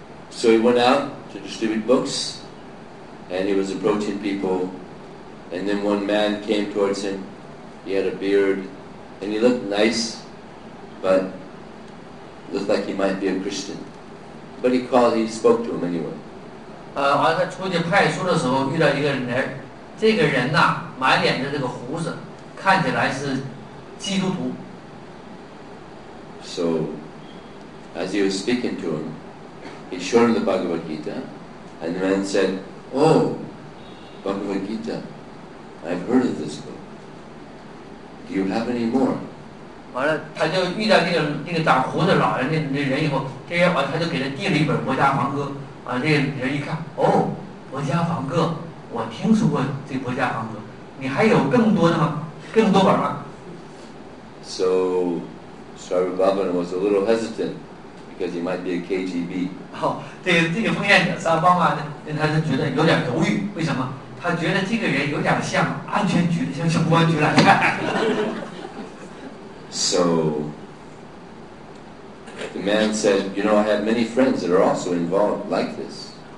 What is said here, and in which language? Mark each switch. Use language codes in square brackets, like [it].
[en] So he went out to distribute books, and he was approaching people, and then one man came towards him. He had a beard, and he looked nice, but looked like he might be a Christian. But he called, he spoke to him anyway. [zh] 他出去派出的时候遇到一个人，这个人呢，满脸的这个胡子，看起来是基督徒。 [en] So, as he was speaking to him, he showed him the Bhagavad Gita, and the man said, "Oh, Bhagavad Gita, I've heard of this book. Do you have any more?" [zh] 完了，他就遇到那个长胡子老人那人以后，这人完他就给他递了一本《摩迦梵歌》。啊，这人一看，哦，摩迦梵歌，我听说过这摩迦梵歌，你还有更多的吗？更多本吗 [en] ？So, Sarvabhauman was a little hesitant because he might be a KGB. [zh] 好、哦，这个奉献者萨巴玛呢，他是觉得有点犹豫，为什么？他觉得这个人有点像安全局，像公安局来的。 [en] So. The man said, you know, I have many friends that are also involved like this.